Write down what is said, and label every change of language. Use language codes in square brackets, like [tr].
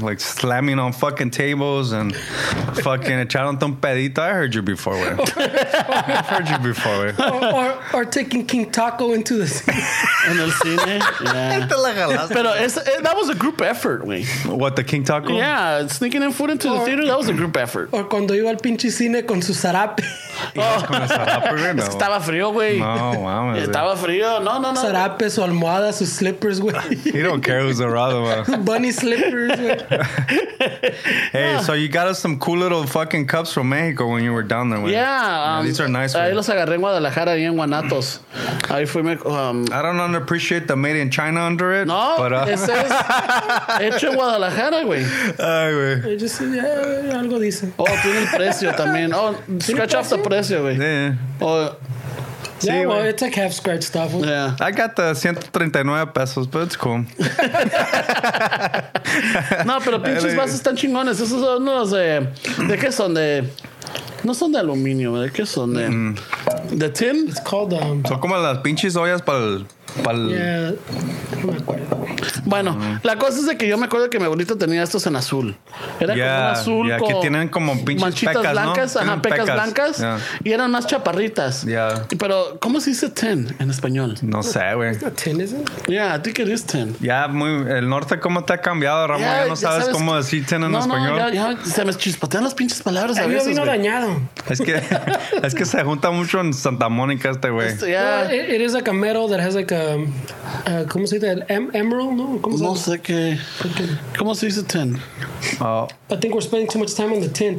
[en] Like slamming on fucking tables and fucking [es] echaron un pedito. [en] I heard you before, man. I've heard you before, man. Or taking King Taco into the scene. In the scene, yeah. Pero that was a group effort, man. What, the King Taco? Yeah, sneaking in food into the theater, that was a group effort. [es] Or cuando iba al pinche cine con su sarape. No. Estaba frío, güey. No, mames. Estaba frío. No. Sarape, su almohada, sus slippers, güey. [en] He don't care who's around, man. Bunny slippers, güey. Hey, no. So you got us some cool little fucking cups from Mexico when you were down there, güey. Yeah. These are nice, güey. [es] Ahí los agarré en Guadalajara, ahí en Guanatos. Ahí fui. [en] I don't underappreciate the made in China under it. [es] No, but, ese es hecho en Guadalajara, güey. Ay, güey. Algo dice. Oh, tiene el precio también. Oh, [en] scratch off the [es] precio, güey. [en] Yeah. Yeah, well, it's like half scratch stuff. Yeah. I got the 139 pesos, but it's cool. [es] No, pero pinches vasos están chingones. Esos son los de... ¿De qué son? De... No son de aluminio, ¿de qué son? De... ¿De tin? [en] It's called... [es] Son como las pinches ollas para el... Pal. [en] Yeah. [es] Bueno, la cosa es de que yo me acuerdo que mi abuelito tenía estos en azul. Era como un azul con tienen como pinches manchitas pecas, blancas, ¿no? Ajá, pecas blancas. Yeah. Y eran más chaparritas. [en] Yeah. [es] Pero, ¿cómo se dice tin en español? No sé, güey. [en] ¿Tin, is it? Yeah, I think it is tin. [es] Ya, yeah, muy. El norte, ¿cómo te ha cambiado, Ramón? Yeah, ya no sabes cómo decir tin en español. Ya, se me chispotean las pinches palabras. A mí me vino dañado. Es que se junta mucho en Santa Mónica este, güey. [en] Yeah. It is like a metal that has like a. [es] ¿Cómo se dice? ¿Emerald? No, ¿cómo se no sé qué. ¿Cómo se dice tin? [en] I think we're spending too much time on the tin.